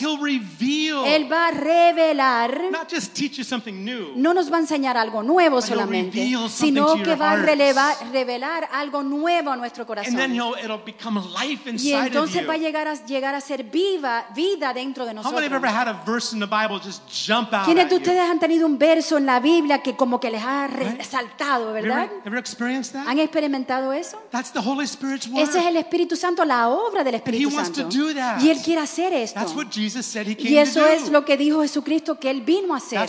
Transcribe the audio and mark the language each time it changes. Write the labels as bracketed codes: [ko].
[en] he'll reveal, [es] él va a revelar. [en] Not just teach you something new, [es] no nos va a enseñar algo nuevo solamente, sino que va a revelar algo nuevo a nuestro corazón. [en] And then it'll become life inside [es] y entonces [en] of you. [es] Va a llegar a ser vida dentro de nosotros. [en] How many have ever had a verse in the Bible just jump out? [es] ¿Quiénes de ustedes [en] you? [es] Han tenido un verso en la Biblia que como que les ha resaltado, verdad? ¿Han experimentado eso? [en] That's the Holy Spirit's work. [es] Ese es el Espíritu Santo, la obra del Espíritu [en] And he wants [es] Santo. [en] To do that. [es] Y Él quiere hacer esto. [en] That's what Jesus said he came [es] y eso [en] to do. [es] Es lo que dijo Jesucristo que Él vino a hacer.